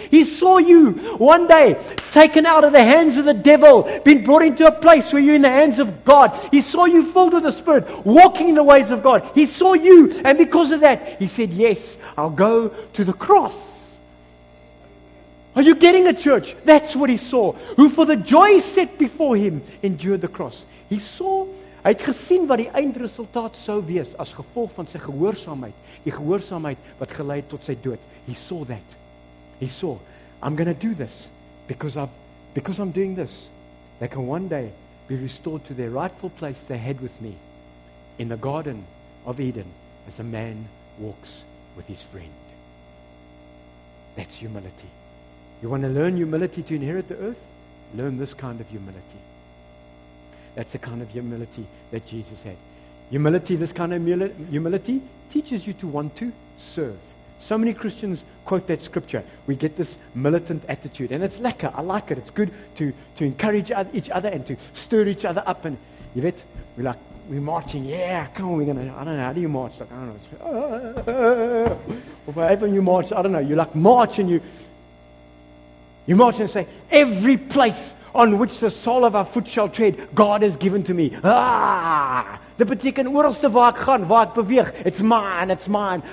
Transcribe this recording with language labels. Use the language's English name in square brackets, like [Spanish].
[English] He saw you one day taken out of the hands of the devil, been brought into a place where you're in the hands of God. He saw you filled with the Spirit, walking in the ways of God. He saw you, and because of that, he said, yes, I'll go to the cross. Are you getting it, church? That's what he saw. Who for the joy set before him endured the cross. He saw, [Afrikaans] hy het gesien wat die eindresultaat sou wees as gevolg van sy gehoorsaamheid. Die gehoorsaamheid wat gelei het tot sy dood. [English] He saw that. He saw, I'm going to do this because I'm doing this. They can one day be restored to their rightful place they had with me in the Garden of Eden as a man walks with his friend. That's humility. You want to learn humility to inherit the earth? Learn this kind of humility. That's the kind of humility that Jesus had. Humility, this kind of humility, teaches you to want to serve. So many Christians quote that scripture. We get this militant attitude, and it's lekker. I like it. It's good to encourage each other and to stir each other up. And you bet, we're marching. Yeah, come on, I don't know. How do you march? Like, I don't know. Or wherever you march, I don't know. You like march and you march and say, every place on which the sole of our foot shall tread, God has given to me. Ah! [Afrikaans] The beteken, oralste waar ek gaan, waar ek beweeg, [English] it's mine.